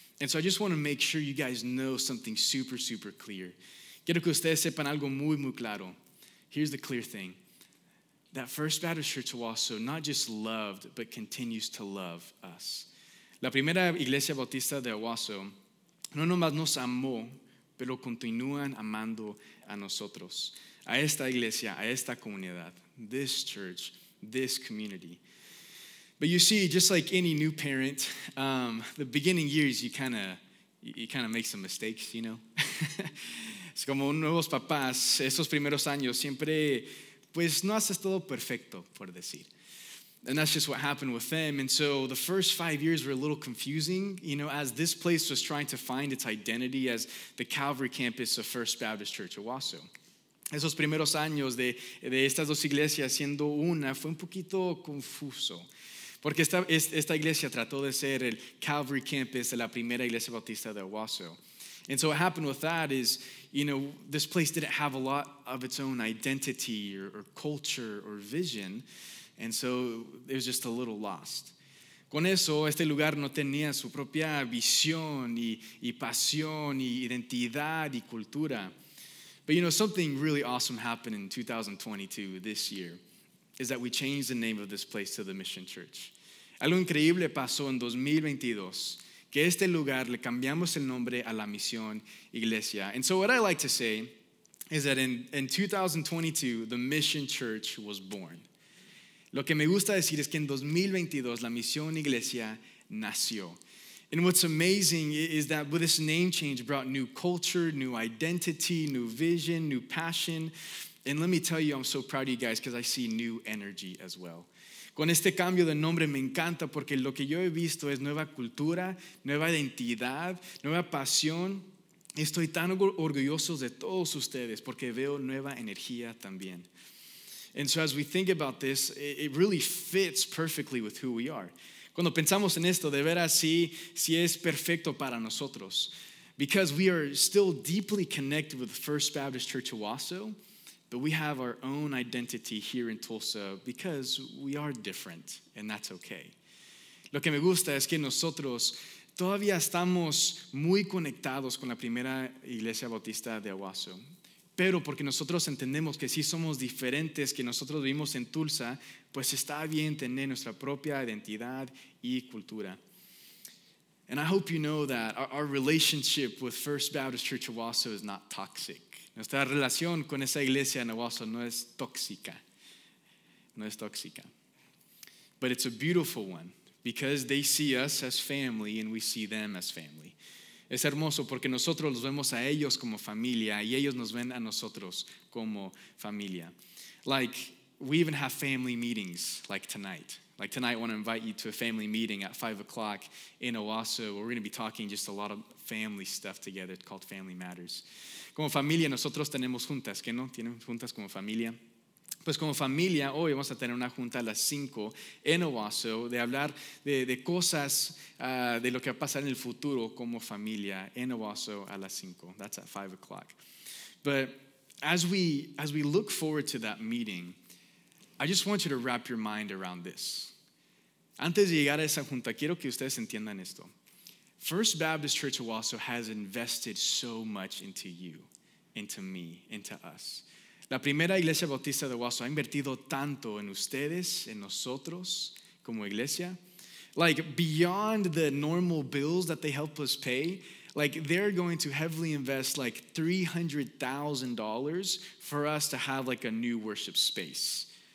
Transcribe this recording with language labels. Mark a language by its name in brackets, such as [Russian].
[English] And so I just want to make sure you guys know something super, super clear. [Spanish] Quiero que ustedes sepan algo muy, muy claro. [English] Here's the clear thing. That First Baptist Church of Wausau not just loved, but continues to love us. [Spanish] La primera iglesia bautista de Wausau no nomás nos amó, pero continúan amando a nosotros, a esta iglesia, a esta comunidad, [English] this church, this community. But you see, just like any new parent, the beginning years, you kind of make some mistakes, you know. [Spanish] Es como nuevos papás, esos primeros años, siempre, pues no haces todo perfecto, por decir. [English] And that's just what happened with them. And so the first 5 years were a little confusing, you know, as this place was trying to find its identity as the Calvary campus of First Baptist Church of Wausau. [Spanish] Esos primeros años de estas dos iglesias siendo una fue un poquito confuso. Porque esta iglesia trató de ser el Calvary campus de la primera iglesia bautista de Wausau. [English] And so what happened with that is, you know, this place didn't have a lot of its own identity or culture or vision. And so it was just a little lost. [Spanish] Con eso, este lugar no tenía su propia visión y pasión y identidad y cultura. [English] But you know, something really awesome happened in 2022, this year, is that we changed the name of this place to the Mission Church. [Spanish] Algo increíble pasó en 2022, que este lugar le cambiamos el nombre a la Misión Iglesia. [English] And so what I like to say is that in 2022, the Mission Church was born. [Spanish] Lo que me gusta decir es que en 2022 la Misión Iglesia nació. [English] And what's amazing is that with this name change brought new culture, new identity, new vision, new passion. And let me tell you, I'm so proud of you guys because I see new energy as well. [Spanish] Con este cambio de nombre me encanta porque lo que yo he visto es nueva cultura, nueva identidad, nueva pasión. Estoy tan orgulloso de todos ustedes porque veo nueva energía también. [English] And so as we think about this, it really fits perfectly with who we are. [Spanish] Cuando pensamos en esto, de veras sí es perfecto para nosotros. [English] Because we are still deeply connected with First Baptist Church of Wausau, but we have our own identity here in Tulsa because we are different, and that's okay. [Spanish] Lo que me gusta es que nosotros todavía estamos muy conectados con la primera iglesia bautista de Wausau. Pero porque nosotros entendemos que sí somos diferentes, que nosotros vivimos en Tulsa, pues está bien tener nuestra propia identidad y cultura. [English] And I hope you know that our relationship with First Baptist Church of Wausau is not toxic. [Spanish] Nuestra relación con esa iglesia en Wausau no es tóxica. No es tóxica. [English] But it's a beautiful one because they see us as family and we see them as family. [Spanish] Es hermoso porque nosotros los vemos a ellos como familia y ellos nos ven a nosotros como familia. [English] Like, we even have family meetings like tonight. Like tonight, I want to invite you to a family meeting at 5:00 in Wausau. We're going to be talking just a lot of family stuff together called Family Matters. [Spanish] Como familia, nosotros tenemos juntas, ¿qué no? ¿Tienen juntas como familia? Pues como familia, hoy vamos a tener una junta a las 5 en Wausau de hablar de cosas de lo que va a pasar en el futuro como familia en Wausau a las 5. [English] That's at 5:00. But as we look forward to that meeting, I just want you to wrap your mind around this. [Spanish] Antes de llegar a esa junta, quiero que ustedes entiendan esto. [English] First Baptist Church of Wausau has invested so much into you, into me, into us. [Spanish] La primera iglesia bautista de Wausau ha invertido tanto en ustedes, en nosotros, como iglesia. [English] Like, beyond the normal bills that they help us pay, like, they're going to heavily invest, like, $300,000 for us to have, like, a new worship space.